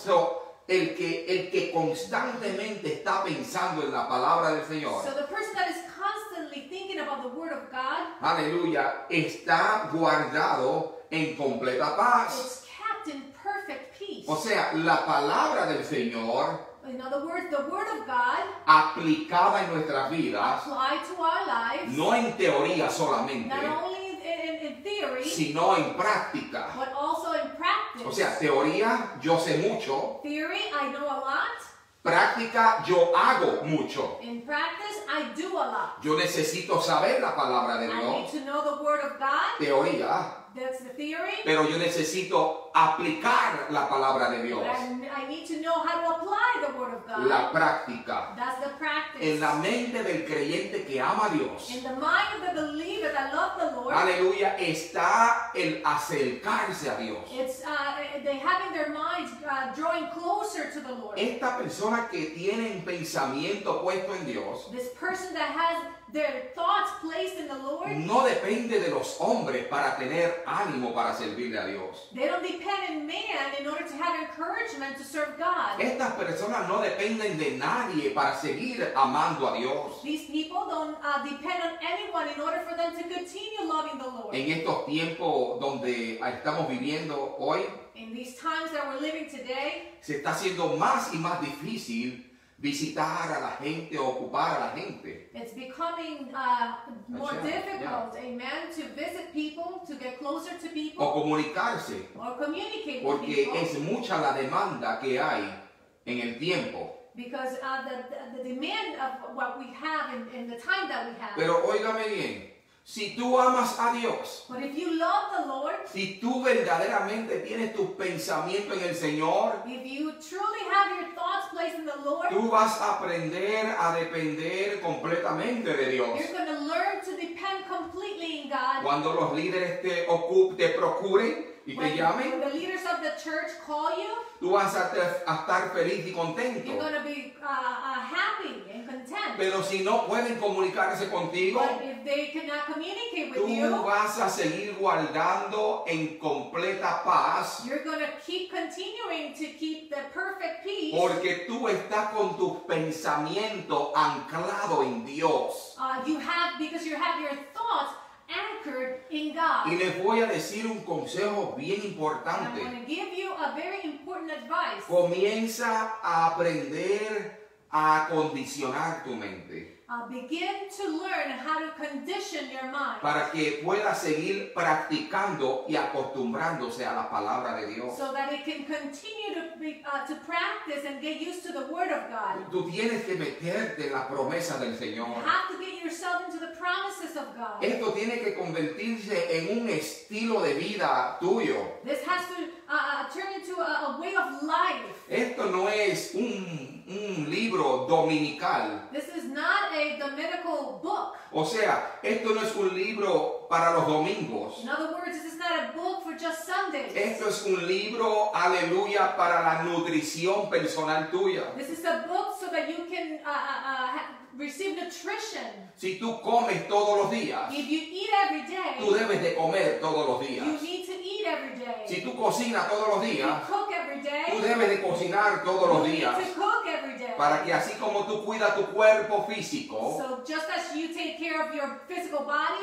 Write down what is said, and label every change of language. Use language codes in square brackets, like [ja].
[es] So, El que constantemente está pensando en la palabra del Señor. [en] So the person that is constantly thinking about the word of God. [es] Aleluya. Está guardado en completa paz. [en] It's kept in perfect peace. [es] O sea, la palabra del Señor. [en] In other words, the word of God. [es] Aplicada en nuestras vidas. [en] Applied to our lives. [es] No en teoría solamente. [en] Not only in theory. [es] Sino en práctica. [en] But also in practice. [es] O sea, teoría, yo sé mucho. [en] Theory, I know a lot. [es] Práctica, yo hago mucho. [en] In practice, I do a lot. [es] Yo necesito saber la palabra de Dios. [en] I need to know the word of God. [es] Teoría. [en] That's the theory. [es] Pero yo necesito aplicar la palabra de Dios. [en] I need to know how to apply the word of God. [es] La práctica. [en] That's the practice. [es] en la mente del creyente que ama a Dios, [en] in the mind of the believer that loves the Lord, [es] aleluya, está el acercarse a Dios. [en] It's they have in their minds drawing closer to the Lord. [es] Esta persona que tiene un pensamiento puesto en Dios, [en] this person that has their thoughts placed in the Lord, [es] no depende de los hombres para tener ánimo para servirle a Dios. [en] They don't depend on man in order to have encouragement to serve God. [es] Estas personas no dependen de nadie para seguir amando a Dios. [en] These people don't depend on anyone in order for them to continue loving the Lord. [es] En estos tiempos donde estamos viviendo hoy, [en] in these times that we're living today, [es] se está haciendo más y más difícil visitar a la gente, ocupar a la gente. [en] It's becoming more difficult, amen, to visit people, to get closer to people. [es] O comunicarse. [en] Or communicate with people. [es] Porque es mucha la demanda que hay en el tiempo. [en] Because the demand of what we have in the time that we have. [es] Pero óigame bien. Si tú amas a Dios, [en] but if you love the Lord, [es] si tú verdaderamente tienes tus pensamientos en el Señor, [en] if you truly have your thoughts placed in the Lord, [es] tú vas a aprender a depender completamente de Dios. [en] You're going to learn to depend completely in God. [es] Cuando los líderes te procuren y [en] when [es] te llamen, [en] the leaders of the church call you, [es] tú vas a estar feliz y contento. [en] You're going to be happy and content. [es] Pero si no pueden comunicarse contigo, [en] but if they cannot communicate with you, [es] tú vas a seguir guardando en completa paz. [en] You're going to keep continuing to keep the perfect peace. [es] Porque tú estás con tu pensamiento anclado en Dios. [en] Because you have your thoughts anchored in God. [es] Y les voy a decir un consejo bien importante. [en] I'm going to give you a very important advice. [es] Comienza a aprender a acondicionar tu mente. [en] Begin to learn how to condition your mind. [es] Para que pueda seguir practicando y acostumbrándose a la palabra de Dios. [en] So that it can continue to practice and get used to the word of God. [es] Tú tienes que meterte en la promesa del Señor. [en] You have to get yourself into the promises of God. [es] Esto tiene que convertirse en un estilo de vida tuyo. [en] This has to turn into a way of life. [es] Esto no es un libro dominical. [en] This is not a dominical book. [es] O sea, esto no es un libro para los domingos. [en] In other words, this is not a book for just Sundays. [es] Esto es un libro, aleluya, para la nutrición personal tuya. [en] This is a book so that you can receive nutrition. [es] Si tú comes todos los días, [en] if you eat every day, [es] tú debes de comer todos los días. [en] You need to eat every day. [es] Si tú cocinas todos los días, [en] if you cook every day, [es] tú debes de cocinar todos los días. [en] You need to cook every day. [es] Para que así como tú cuidas tu cuerpo físico, [en] so just as you take care of your physical body,